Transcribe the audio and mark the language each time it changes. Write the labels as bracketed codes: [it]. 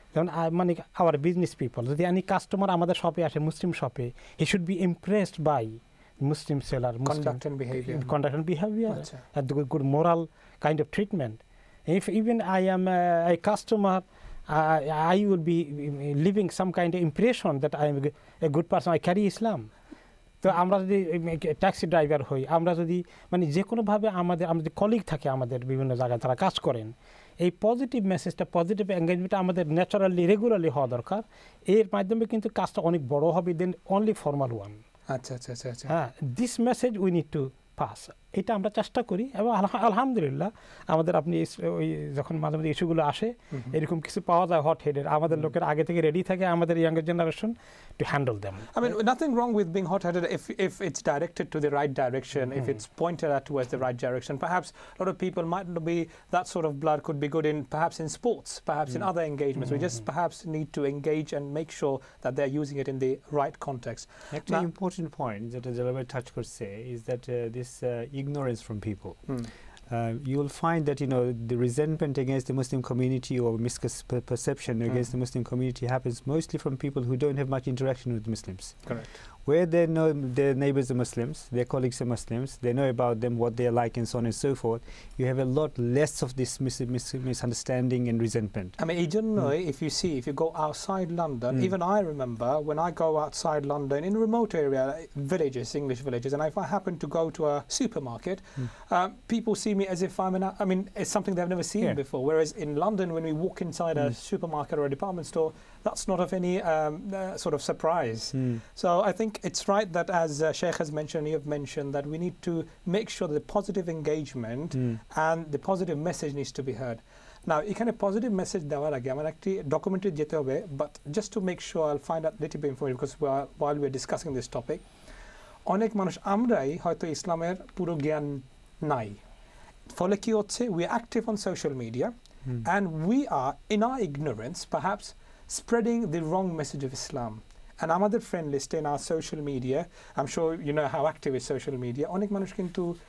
[en] Then I mean, our business people, the any customer, our shop, a Muslim shop, he should be impressed by Muslim seller, Muslim conduct and behavior. Conduct and behavior, and the good moral kind of treatment. If even I am a customer, I would be leaving some kind of impression that I am a good person, I carry Islam. [bn] তো আমরা যদি taxi driver হই আমরা যদি মানে যে কোনোভাবে আমাদের আমাদের কলিগ থাকে আমাদের বিভিন্ন জায়গায় তারা কাজ করেন এই পজিটিভ মেসেজটা পজিটিভ এঙ্গেজমেন্টটা আমাদের ন্যাচারালি রেগুলারলি হওয়া দরকার এর মাধ্যমে কিন্তু কাজটা অনেক বড় হবে [en] then only formal one [bn] আচ্ছা আচ্ছা আচ্ছা [en] হ্যাঁ this message we need to pass [bn] এটা আমরা চেষ্টা করি এবং আলহামদুলিল্লাহ আমাদের আপনি ওই যখন মাঝে মাঝে ইস্যুগুলো আসে এরকম কিছু পাওয়া যায় হট হেডেড আমাদের লোকের আগে থেকে রেডি থাকে আমাদের younger generation [en] to handle them I mean nothing wrong with being hot headed if if it's directed to the right direction if it's pointed out towards the right direction perhaps lot of people might not be that sort of blood could be good in perhaps in sports perhaps in other engagements we just perhaps need to engage and make sure that they are using it in the right context [bn] একটা important point যেটা জেলাবে touch করছে [en] Is that this ignorance from people. You will find that, you know, the resentment against the Muslim community or misperception against the Muslim community happens mostly from people who don't have much interaction with Muslims. Correct. Where they know their neighbors are Muslims, their colleagues are Muslims, they know about them, what they are like, and so on and so forth, you have a lot less of this misunderstanding and resentment. I mean, generally, if you see, if you go outside London, even I remember when I go outside London in a remote area, villages, English villages, and if I happen to go to a supermarket, people see me as if I'm an, I mean, it's something they've never seen before. Whereas in London, when we walk inside a supermarket or a department store, that's not of any sort of surprise. So I think it's right that, as Sheikh has mentioned, you've mentioned, that we need to make sure that the positive engagement and the positive message needs to be heard. Now, you can have a positive message, but just to make sure, I'll find out a little bit for you, because we are, while we're discussing this topic, [bn] অনেক মানুষ আমরাই হয়তো ইসলামের পুরো জ্ঞান নাই ফলে কি হচ্ছে [en] we are active on social media and we are in our ignorance perhaps spreading the wrong message of Islam and [bn] আমাদের [en] friend list in our social media I am sure you know how active is social media [bn] অনেক মানুষ কিন্তু